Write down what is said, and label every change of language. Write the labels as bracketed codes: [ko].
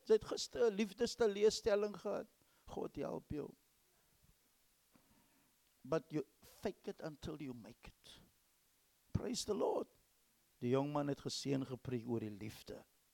[af] Jy het gister 'n liefdesteleurstelling gehad. God help jou. [en] But you fake it until you make it. Praise the Lord. [af] Die jong man het geseën gepreek oor die liefde.